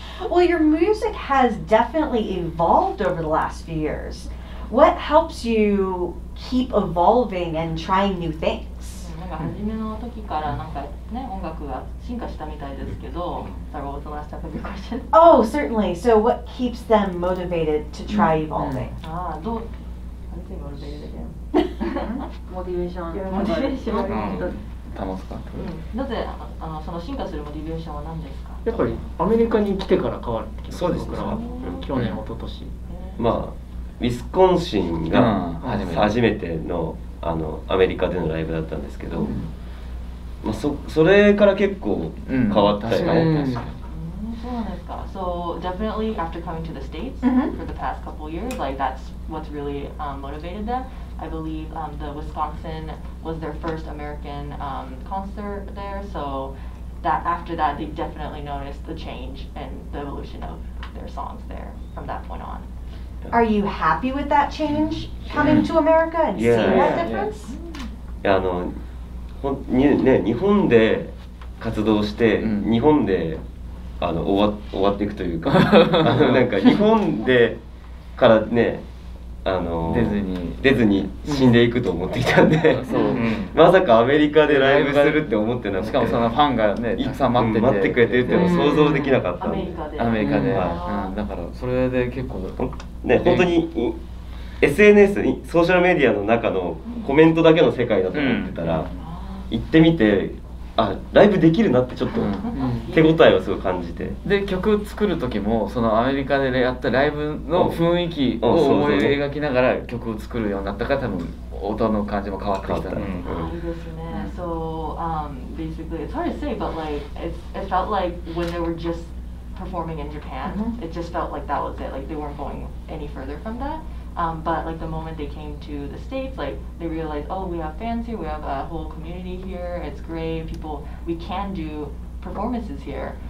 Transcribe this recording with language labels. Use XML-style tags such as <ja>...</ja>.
<en>Well, your music has definitely evolved over the last few years. What helps you keep evolving and trying new things?</en> <ja>なんか初めの時からなんかね、音楽が進化したみたいですけど、それを大人したという question。</ja> <en>Oh, certainly. So what keeps them motivated to try evolving?</en> <ja>ああ、どう何て言うの？モチベーション。モチベーション。保つか。なぜあのその進化するモチベーションは何ですか？やっぱりアメリカに来てから変わるって気がする。そうですね。去年、一昨年。まあ、ウィスコンシンが初めてのあのアメリカでのライブだったんですけど、うん、まあ、それから結構変わったよね。そうなんですか。</ja> <en>So definitely after coming to the States for the past couple years, like that's what's really motivated them. I believe the Wisconsin was their first American concert there. So that after that, they definitely noticed the change and the evolution of their songs there from that point on. Are you happy with that change coming to America and seeing that difference?</en> <ja>Yeah, あの、ほん、ね、日本で活動して、日本であの終わっていくというか、なんか日本でからね、あの、出ずに死んでいくと思っていたんで、まさかアメリカでライブするって思ってなくて、しかもそのファンがね、たくさん待ってて、待ってくれてるっていうのも想像できなかった。アメリカで、だからそれで結構。ね、本当に SNS、ソーシャルメディアの中のコメントだけの世界だと思ってたら、行ってみて、あ、ライブできるなってちょっと手応えをすごい感じて。で、曲作る時もそのアメリカでやったライブの雰囲気を思い描きながら曲を作るようになったから、多分音の感じも変わってきた、ね。そうですね。</ja> <en>So, basically, it's hard to say, but like, it felt like when they were just performing in Japan, it just felt like that was it. Like, they weren't going any further from that. But like the moment they came to the States, like they realized, oh, we have fans here, we have a whole community here, it's great, people, we can do performances here.</en>